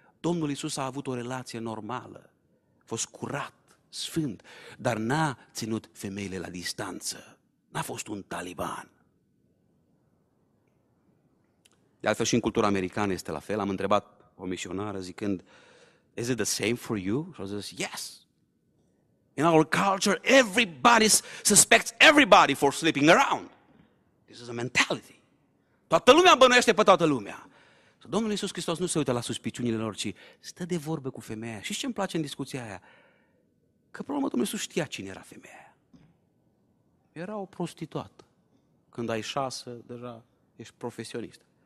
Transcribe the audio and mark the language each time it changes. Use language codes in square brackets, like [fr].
[ro] Domnul Iisus a avut o relație normală, a fost curat, sfânt, dar n-a ținut femeile la distanță, n-a fost un taliban. De altfel și în cultura americană este la fel. Am întrebat o misionară zicând, [en] is it the same for you? [ro] Și a zis, [en] yes. In our culture, everybody suspects everybody for sleeping around. This is a mentality. [ro] Toată lumea bănuiește pe toată lumea. Domnul Iisus Hristos nu se uită la suspiciunile lor, ci stă de vorbă cu femeia. Și ce îmi place în discuția aia? Că problema Domnul Iisus știa cine era femeia. Era o prostituată. Când ai 6, deja ești profesionist.